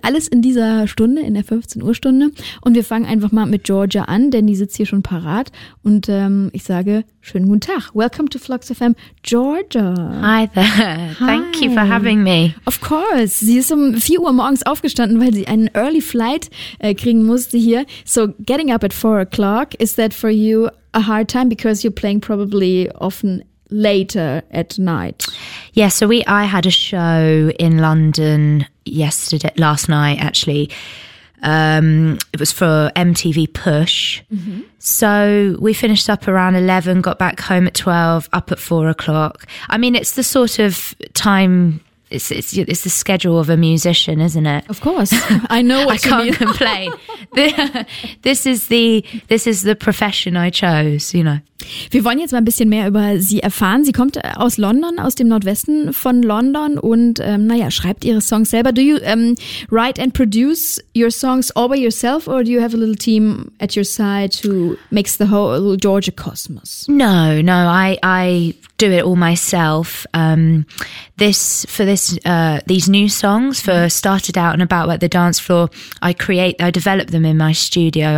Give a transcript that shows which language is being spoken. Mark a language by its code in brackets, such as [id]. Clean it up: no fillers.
[de] Alles in dieser Stunde, in der 15-Uhr-Stunde. Und wir fangen einfach mal mit Georgia an, denn die sitzt hier schon parat. Und ich sage, schönen guten Tag. [en] Welcome to Flux FM, [de] Georgia. [en] Hi there. Hi. Thank you for having me. Of course. [de] Sie ist um 4 Uhr morgens aufgestanden, weil sie einen Early Flight kriegen musste hier. [en] So getting up at 4 o'clock, is that for you a hard time? Because you're playing probably often later at night. Yeah, so I had a show in London last night, actually. It was for MTV Push. Mm-hmm. So we finished up around 11, got back home at 12, up at 4 o'clock. I mean, it's the sort of time, it's the schedule of a musician, isn't it? Of course. I know what you mean. I can't complain. This is the profession I chose, you know. [de] Wir wollen jetzt mal ein bisschen mehr über sie erfahren. Sie kommt aus London, aus dem Nordwesten von London und schreibt ihre Songs selber. [en] Do you write and produce your songs all by yourself or do you have a little team at your side who makes the whole Georgia cosmos? No, I do it all myself. These new songs for Started Out and About at the Dance Floor, I develop them in my studio.